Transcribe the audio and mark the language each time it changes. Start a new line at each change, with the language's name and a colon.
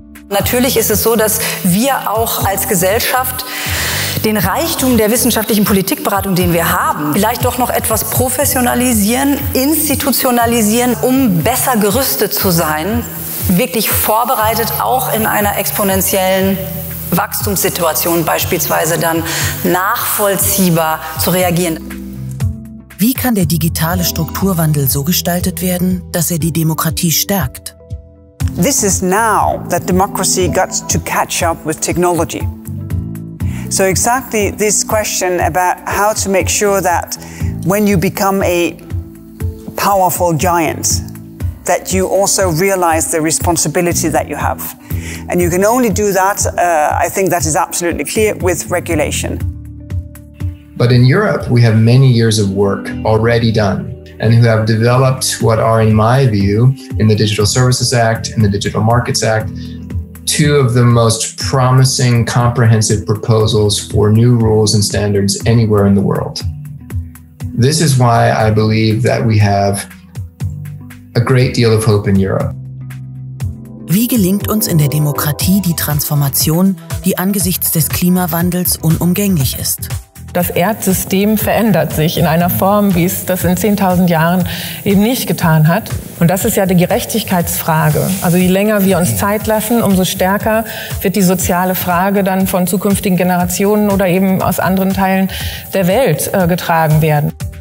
German: Natürlich ist es so, dass wir auch als Gesellschaft den Reichtum der wissenschaftlichen Politikberatung, den wir haben, vielleicht doch noch etwas professionalisieren, institutionalisieren, um besser gerüstet zu sein, wirklich vorbereitet auch in einer exponentiellen Wachstumssituation beispielsweise dann nachvollziehbar zu reagieren. Wie kann der digitale Strukturwandel so gestaltet werden, dass er die Demokratie stärkt?
English: This is now that democracy got to catch up with technology. So exactly this question about how to make sure that when you become a powerful giant, that you also realize the responsibility that you have. And you can only do that, I think that is absolutely clear, with regulation. But in Europe, we have many years of work already done and who have developed what are, in my view, in the Digital Services Act and the Digital Markets Act, two of the most promising comprehensive proposals for new rules and standards anywhere in the world. This is why I believe that we have a great deal of hope in Europe.
German: Wie gelingt uns in der Demokratie die Transformation, die angesichts des Klimawandels unumgänglich ist? Das Erdsystem verändert sich in einer Form, wie es das in 10.000 Jahren eben nicht getan hat. Und das ist ja die Gerechtigkeitsfrage. Also je länger wir uns Zeit lassen, umso stärker wird die soziale Frage dann von zukünftigen Generationen oder eben aus anderen Teilen der Welt getragen werden.